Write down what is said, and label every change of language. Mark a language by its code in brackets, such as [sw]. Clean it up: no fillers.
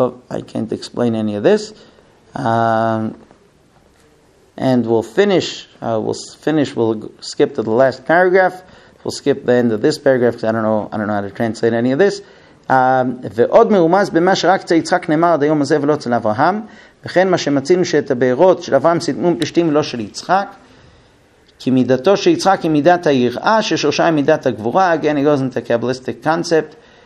[en] I can't explain any of this. And we'll finish. We'll skip to the last paragraph. We'll skip the end of this paragraph because I don't know how to translate any of this. [he] ועוד מרומז במה שרק יצחק נאמר עד היום הזה ולא אצל אברהם וכן מה שמצינו שאת הבארות של אברהם סתמו פלשתים ולא של יצחק כי מידתו של יצחק היא מידת היראה ששורשה היא מידת הגבורה. [en] Again, it goes into a Kabbalistic concept.